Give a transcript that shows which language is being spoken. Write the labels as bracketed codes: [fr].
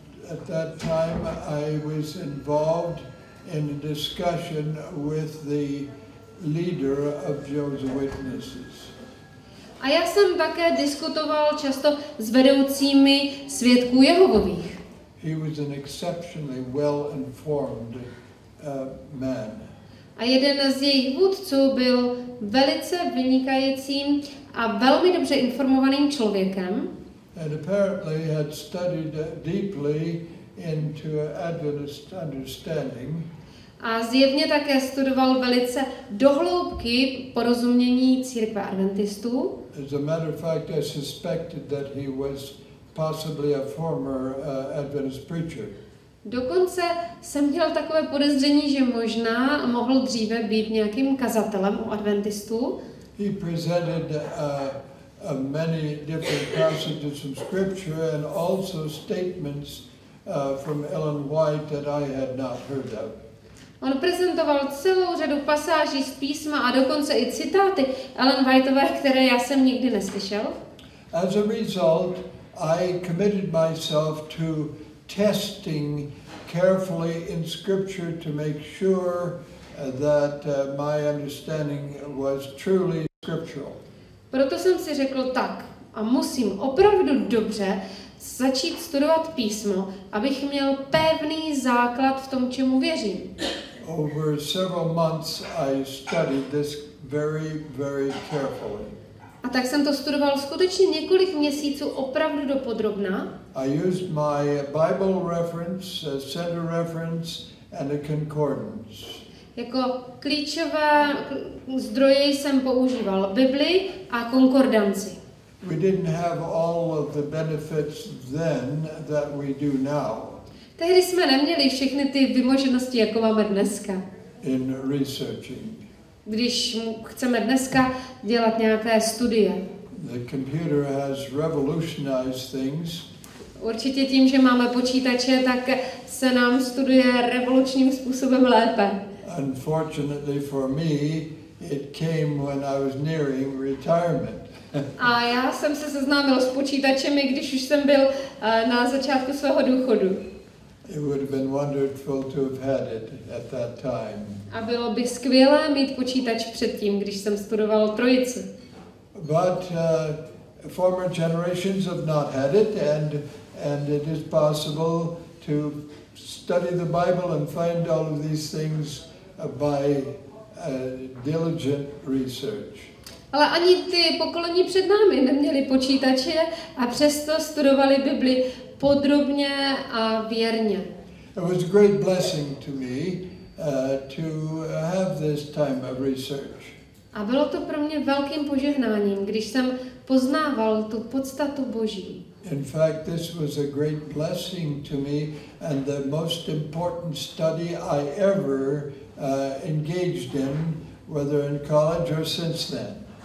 [en] At that time I was involved in a discussion with the leader of Jehovah's Witnesses. [cs] A já jsem také diskutoval často s vedoucími svědků Jehovových. [en] He was an exceptionally well informed man. [cs] A jeden z jejich vůdců byl velice vynikajícím a velmi dobře informovaným člověkem. [en] And apparently had studied deeply into Adventist understanding. [cs] a zjevně také studoval velice dohloubky porozumění církve adventistů. [en] As a matter of fact, I suspected that he was possibly a former Adventist preacher. [cs] Dokonce jsem měl takové podezření, že možná mohl dříve být nějakým kazatelem u adventistů. [en] He presented many different passages from scripture and also statements from Ellen White that I had not heard of. [cs] On prezentoval celou řadu pasáží z písma a dokonce i citáty Ellen Whiteové, které já jsem nikdy neslyšel. [en] As a result, I committed myself to testing carefully in scripture to make sure that my understanding was truly scriptural. [cs] Proto jsem si řekl tak, a musím opravdu dobře začít studovat písmo, abych měl pevný základ v tom, čemu věřím. [en] Over several months I studied this very, very carefully. [cs] A tak jsem to studoval skutečně několik měsíců opravdu dopodrobna. [en] I used my Bible reference, center reference and a concordance. [cs] Jako klíčové zdroje jsem používal Bibli a konkordanci. [en] We didn't have all of the benefits then that we do now. [cs] Tehdy jsme neměli všechny ty vymoženosti, jako máme dneska. [en] In researching. [cs] Když chceme dneska dělat nějaké studie. [en] The computer has revolutionized things. [cs] Určitě tím, že máme počítače, tak se nám studuje revolučním způsobem lépe. [en] Unfortunately for me, it came when I was nearing retirement. [cs] A já jsem se seznámil s počítačemi, když už jsem byl na začátku svého důchodu. [en] It would have been wonderful to have had it at that time. [cs] A bylo by skvělé mít počítač předtím, když jsem studoval trojici. [en] But former generations have not had it, and it is possible to study the Bible and find all of these things by diligent research. [cs] Ale ani ty pokolení před námi neměli počítače a přesto studovali Bibli podrobně a věrně. [en] It was a great blessing to me to have this time of research. [cs] A bylo to pro mě velkým požehnáním, když jsem poznával tu podstatu Boží. [en] In fact, this was a great blessing to me and the most important study I ever engaged in, whether in college or since then.